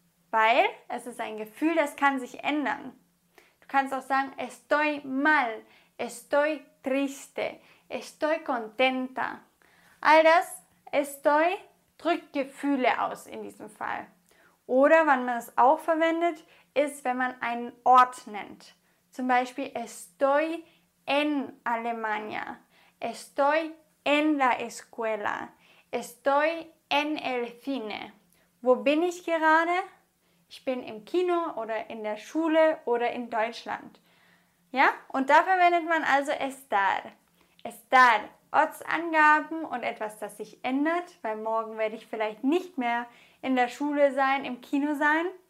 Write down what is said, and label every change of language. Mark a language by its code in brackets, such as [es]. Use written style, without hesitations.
[de] Weil es ist ein Gefühl, das kann sich ändern. Du kannst auch sagen, [es] estoy mal, estoy triste, estoy contenta. [de] All das, estoy, drückt Gefühle aus in diesem Fall. Oder, wann man es auch verwendet, ist, wenn man einen Ort nennt. Zum Beispiel, [es] estoy en Alemania, estoy en la escuela, estoy en el cine. [de] Wo bin ich gerade? Ich bin im Kino oder in der Schule oder in Deutschland. Ja? Und da verwendet man also estar. Estar, Ortsangaben und etwas, das sich ändert, weil morgen werde ich vielleicht nicht mehr in der Schule sein, im Kino sein.